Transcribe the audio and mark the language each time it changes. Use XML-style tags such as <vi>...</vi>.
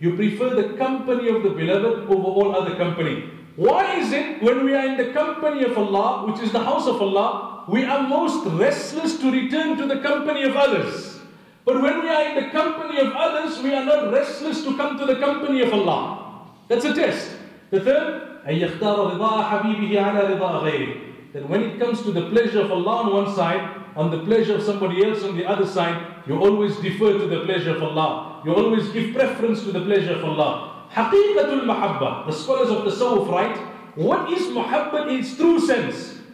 <en>You prefer the company of the beloved over all other company. Why is it when we are in the company of Allah, which is the house of Allah, we are most restless to return to the company of others? But when we are in the company of others, we are not restless to come to the company of Allah. That's a test. The third,</en> <ar>أَن يَخْتَارَ رِضَاءَ حَبِيبِهِ عَلَى رِضَاءَ غَيْرِهِ.</ar> <en>That when it comes to the pleasure of Allah on one side, on the pleasure of somebody else on the other side, you always defer to the pleasure of Allah. You always give preference to the pleasure of Allah. Haqiqatul mahabba, the scholars of the Sawuf write, what is muhabba in its true sense?</en>